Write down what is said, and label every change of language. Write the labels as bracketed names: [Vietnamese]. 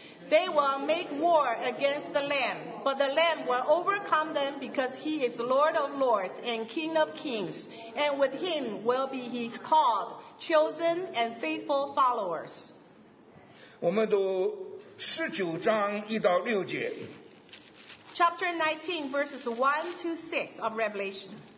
[English] They will make war against the Lamb, but the Lamb will overcome them because he is Lord of lords and King of kings, and with him will be his called, chosen, and faithful followers. [Chinese] 我们读十九章一到六节。 [English] Chapter 19, verses 1 to 6 of Revelation.